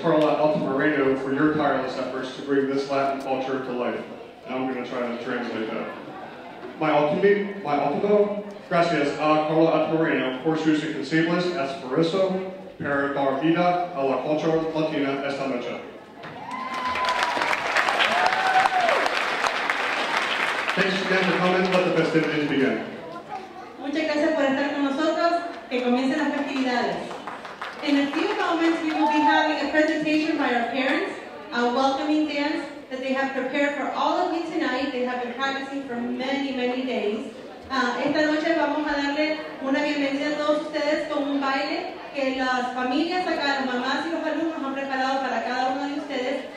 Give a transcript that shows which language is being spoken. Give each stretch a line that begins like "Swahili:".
English: Carla Altamirano for your tireless efforts to bring this Latin culture to life. And I'm going to try to translate that.
Spanish: My ultimo, gracias a Carla Altamirano por sus incansables esfuerzos para dar vida a la cultura latina esta noche.
English: Thanks again for coming. Let the festivities begin.
Spanish: Muchas gracias por estar con nosotros. Que comiencen las festividades.
English: In a few moments, we will be having a presentation by our parents, a welcoming dance that they have prepared for all of you tonight. They have been practicing for many, many days.
Spanish: Esta noche vamos a darle una bienvenida a todos ustedes con un baile que las familias acá, las mamás y los alumnos han preparado para cada uno de ustedes.